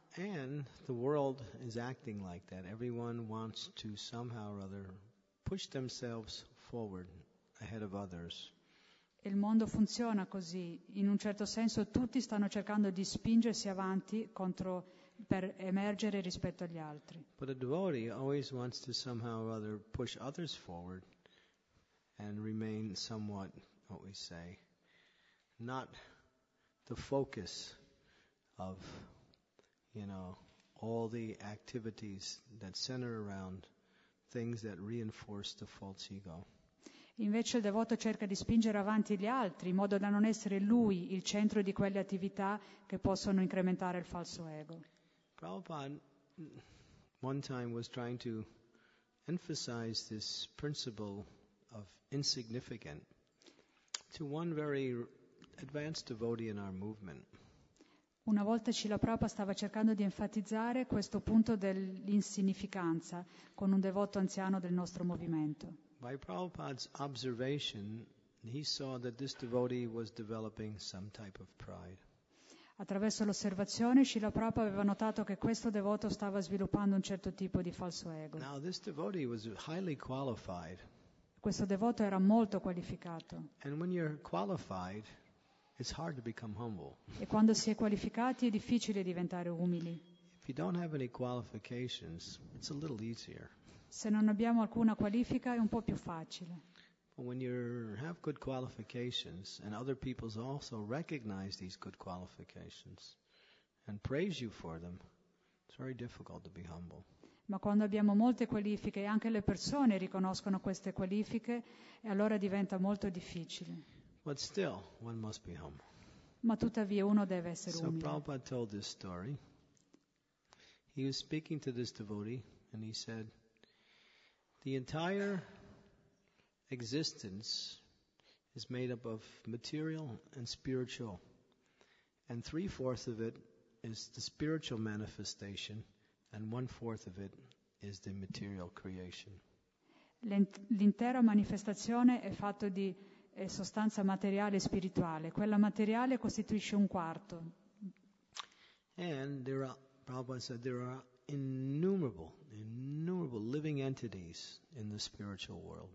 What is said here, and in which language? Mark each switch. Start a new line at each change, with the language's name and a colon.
English: And the world is acting like that. Everyone wants to somehow or other push themselves forward ahead of others.
Italian: Il mondo funziona così. In un certo senso tutti stanno cercando di spingersi avanti contro per emergere rispetto agli altri.
English: But a devotee always wants to somehow or other push others forward and remain somewhat, what we say, not the focus of, you know, all the activities that center around things that reinforce the false ego.
Italian: Invece il devoto cerca di spingere avanti gli altri in modo da non essere lui il centro di quelle attività che possono incrementare il falso ego.
English: Prabhupada one time was trying to emphasize this principle of insignificant to one very advanced devotee in our movement.
Italian: Una volta Srila Prabhupada stava cercando di enfatizzare questo punto dell'insignificanza con un devoto anziano del nostro movimento.
English: By Prabhupada's observation, he saw that this devotee was developing some type of pride.
Italian: Attraverso l'osservazione, Srila Prabhupada aveva notato che questo devoto stava sviluppando un certo tipo di falso ego.
English: Now, this devotee was highly qualified.
Italian: Questo devoto era molto qualificato.
English: And when you're qualified, it's hard to become humble.
Italian: E quando si è qualificati, è difficile diventare umili.
English: If you don't have any qualifications, it's a little easier.
Italian: Se non abbiamo alcuna qualifica è un po' più facile.
English: When you have good qualifications and other people also recognize these good qualifications and praise you for them, it's very difficult to be humble.
Italian: Ma quando abbiamo molte qualifiche e anche le persone riconoscono queste qualifiche, allora diventa molto difficile.
English: But still, one must be humble.
Italian: Ma tuttavia uno deve essere umile.
English: So Prabhupada told this story. He was speaking to this devotee and he said, the entire existence is made up of material and spiritual. And 3/4 of it is the spiritual manifestation, and 1/4 of it is the material creation.
Italian: L'intera manifestazione è fatto di sostanza materiale e spirituale. Quella materiale costituisce un quarto.
English: And Prabhupada said there are innumerable living entities in the spiritual world.